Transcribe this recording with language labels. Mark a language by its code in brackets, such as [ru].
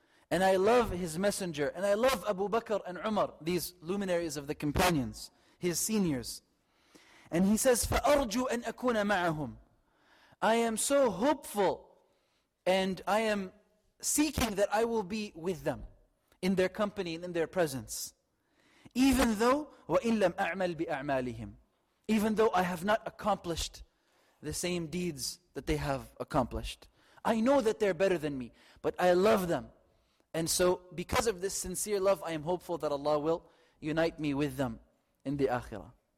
[en] And I love His Messenger. And I love Abu Bakr and Umar, these luminaries of the companions, his seniors. And he says, [ar] فَأَرْجُوا أَنْ أَكُونَ مَعَهُمْ. [en] I am so hopeful and I am seeking that I will be with them in their company and in their presence. Even though, [ar] وَإِنْ لَمْ أَعْمَلْ بِأَعْمَالِهِمْ. [en] Even though I have not accomplished the same deeds that they have accomplished. I know that they're better than me, but I love them. And so because of this sincere love, I am hopeful that Allah will unite me with them in the Akhirah.